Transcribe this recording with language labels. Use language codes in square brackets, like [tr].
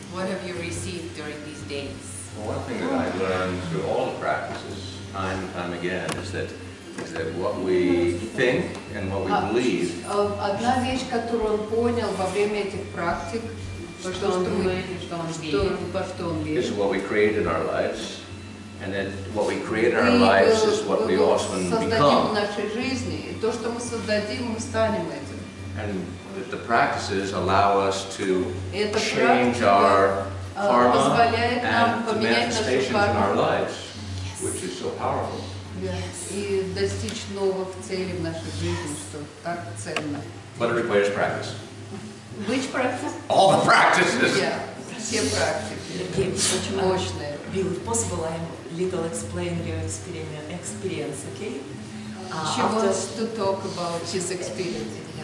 [en] What have you received during these days? Well, one thing that I've learned through all the practices, time and time again, is that what we think and what we believe. [ru] Одна вещь, которую он понял во время этих практик, [en] is what we create in our lives, and then what we create in our lives is what we often become. [ru] В нашей жизни, и то, что мы создадим, мы станем этим. [en] And the practices allow us to change our karma and the manifestations in our lives, which is so powerful. Yes. [ru] И достичь новых целей в нашей жизни, что так ценно. [en] What requires practice? Which practice? All the practices. [ru] Yeah. Все практики. Очень мощные. [en] Bill, possible I'm little explain your experience, okay? She wants to talk about his experience.